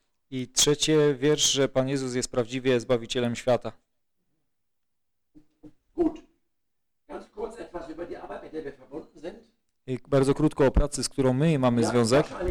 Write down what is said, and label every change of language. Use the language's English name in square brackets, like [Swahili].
[Polish] I trzeci wiersz, że Pan Jezus jest prawdziwie Zbawicielem świata. [German] Gut. Ganz kurz etwas über die Arbeit, mit der wir verbunden sind. [Polish] bardzo krótko o pracy, z którą my mamy związek.